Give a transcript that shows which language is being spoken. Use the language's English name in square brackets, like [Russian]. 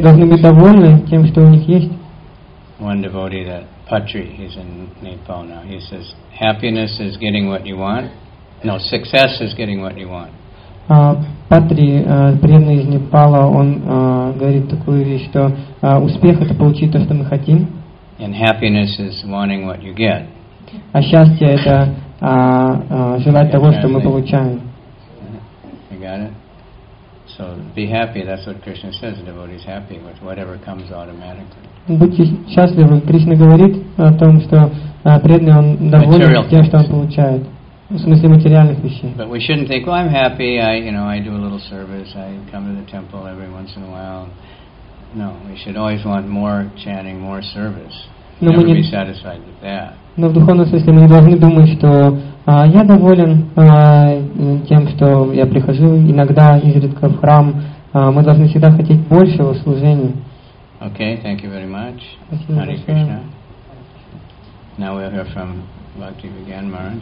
[Russian] должны быть довольны тем, что у них есть. [English] One devotee, that Patri, he's in Nepal now. He says, happiness is getting what you want. No, success is getting what you want. [Russian] Патри, преданный из Непала, он говорит такую вещь, что успех — это получить то, что мы хотим. [English] And happiness is wanting what you get. [Russian] А счастье — это желать того, что мы получаем. [English] You got it? So be happy, that's what Krishna says. The devotee is happy with whatever comes automatically. [Russian] Будьте счастливы. Кришна говорит о том, что преданный, он доволен тем, что он получает. В смысле материальных вещей. [English] But we shouldn't think, well, I'm happy, I do a little service, I come to the temple every once in a while. No, we should always want more chanting, more service. Never be satisfied with that. [Russian] Но в духовном смысле мы не должны думать, что я доволен тем, что я прихожу иногда, изредка в храм. Мы должны всегда хотеть большего служения. [English] Okay, thank you very much. [Russian] Спасибо. [English] Hare Krishna. Now we'll hear from Bhakti Vigyan Maharaj.